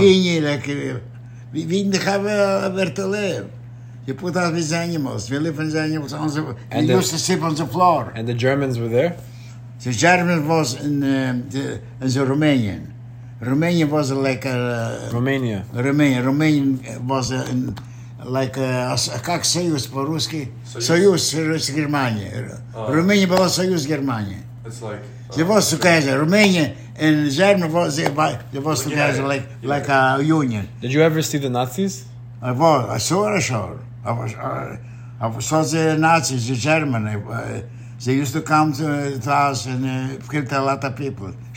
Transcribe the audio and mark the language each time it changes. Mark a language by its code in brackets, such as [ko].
[en] Senior, like, we didn't have where to live. You put us with animals. We live with the animals on the... And we used to sleep on the floor. And the Germans were there? The Germans was in the Romanian. Romanian was like a... Romania. Romania. Romanian was in... Like a [ru] как союз по-русски? Союз с Германией. Romania была союз Германии. [en] It's like... It was together. Romania and Germany was there, but it was together like a union. Did you ever see the Nazis? I saw the Nazis, the Germans. They used to come to us and killed a lot of people.